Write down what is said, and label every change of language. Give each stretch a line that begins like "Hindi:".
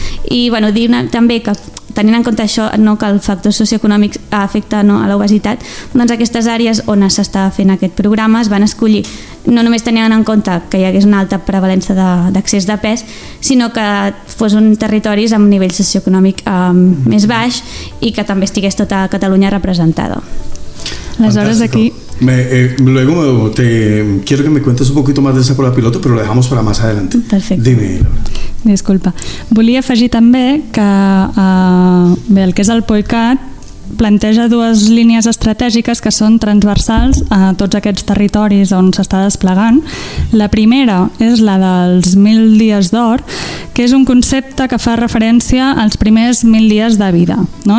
Catalan: I bueno, dir també que, tenint en compte això, no, que el factor socioeconòmic afecta, no, a l'obesitat, doncs aquestes àrees on s'estava fent aquest programa es van escollir, no només tenien en compte que hi hagués una alta prevalència d'excés de pes, sinó que fos un territori amb un nivell socioeconòmic més baix i que també estigués tota Catalunya representada. Aleshores, aquí...
Spanish: Quiero que me cuentes un poquito más de esa prueba piloto, pero lo dejamos para más adelante. Perfecto. Dime. Disculpa.
Catalan: Volia afegir també que bé, el que és el POICAT planteja dues línies estratègiques que són transversals a tots aquests territoris on s'està desplegant. La primera és la dels 1000 dies d'or, que és un concepte que fa referència als primers 1000 dies de vida, no?